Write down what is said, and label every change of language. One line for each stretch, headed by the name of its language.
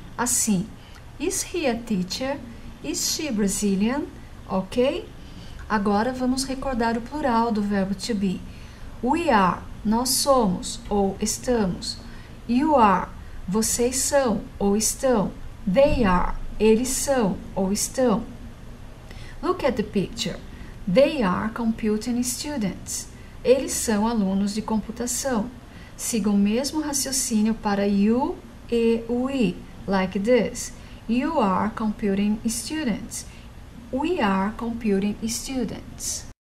English: Assim, is he a teacher? Is she Brazilian? Ok?
Portuguese: Agora vamos recordar o plural do verbo to be.
English: We are,
Portuguese: nós somos ou estamos.
English: You are,
Portuguese: vocês são ou estão.
English: They are,
Portuguese: eles são ou estão.
English: Look at the picture. They are computing students.
Portuguese: Eles são alunos de computação. Siga o mesmo raciocínio para you e we,
English: like this. You are computing students. We are computing students.